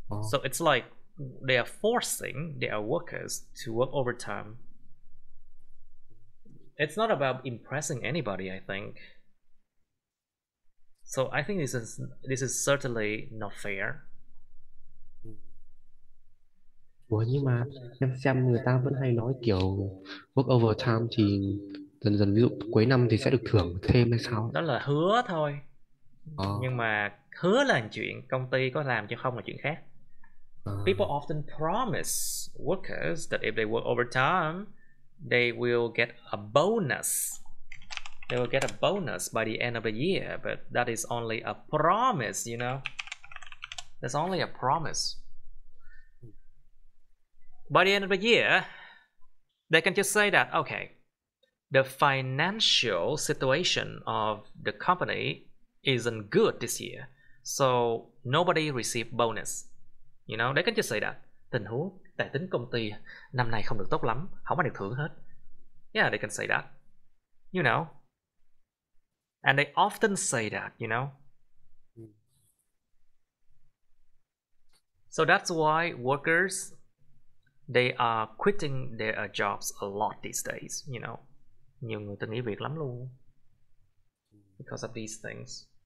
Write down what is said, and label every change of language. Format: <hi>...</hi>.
<en>So it's like they are forcing their workers to work overtime. It's not about impressing anybody, I think. So I think this is certainly not fair.</en> <vi>Ủa nhưng mà xem người ta vẫn hay nói kiểu</vi> <en>work overtime</en> <vi>thì dần dần ví dụ cuối năm thì sẽ được thưởng thêm hay sao? Đó là hứa thôi. Nhưng mà hứa là chuyện, công ty có làm chứ không là chuyện khác.</vi> <en>People often promise workers that if they work overtime, they will get a bonus. They will get a bonus by the end of the year, but that is only a promise, you know. That's only a promise. By the end of the year, they can just say that, okay, the financial situation of the company isn't good this year, so nobody received bonus. You know, they can just say that.</en> <vi>Tình huống tài chính công ty năm nay không được tốt lắm, không ai được thưởng hết.</vi> <en>Yeah, they can say that. You know. And they often say that, you know. So that's why workers, they are quitting their jobs a lot these days, you know.</en> <vi>Nhiều người ta nghỉ việc lắm luôn</vi> <en>because of these things.</en>